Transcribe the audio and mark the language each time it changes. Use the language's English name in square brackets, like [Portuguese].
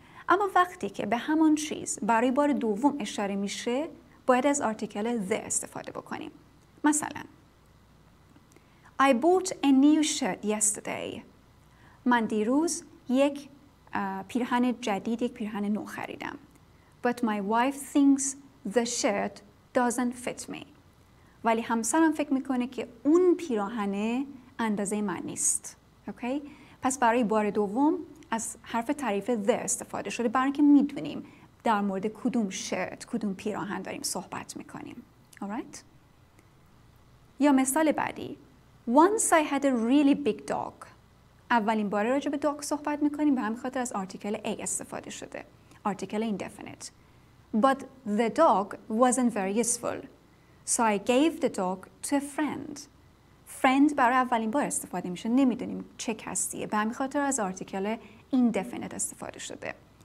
[Persian] اما وقتی که به همون چیز برای بار دوم اشاره میشه باید از آرتیکل the استفاده بکنیم. [English] مثلا I bought a new shirt yesterday. [Persian] من دیروز یک پیرهن جدید، یک پیرهن نو خریدم. [English] But my wife thinks the shirt doesn't fit me. [Persian] ولی همسرم فکر میکنه که اون پیراهن اندازه من نیست. [English] Okay. [Persian] پس برای بار دوم از حرف تعریف the استفاده شده برای اینکه میدونیم در مورد کدوم شرت، کدوم پیراهن داریم صحبت میکنیم. [English] Alright. [Persian] یا مثال بعدی، [English] Once I had a really big dog. [Persian] اولین بار راجع به dog صحبت میکنیم به همین خاطر از آرتیکل A استفاده شده، آرتیکل indefinite. [English] But the dog wasn't very useful, so I gave the dog to a friend. [Persian] Friend برای اولین بار استفاده میشه، نمیدونیم چه کسیه، به همین خاطر از آرتیکل indefinite استفاده شده.